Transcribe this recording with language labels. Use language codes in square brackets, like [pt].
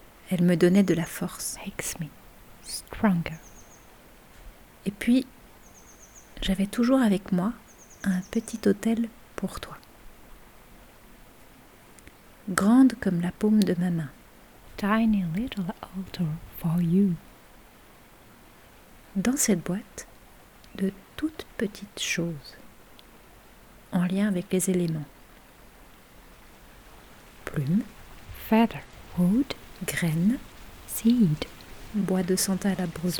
[fr] Elle me donnait de la force. [en] Makes me stronger. [fr] Et puis, j'avais toujours avec moi un petit autel pour toi. Grande comme la paume de ma main. [en] Tiny little altar for you. [fr] Dans cette boîte, de toutes petites choses, en lien avec les éléments. Plume. [en] Feather. Wood. Graines, seed, [fr] bois de santal à brosier,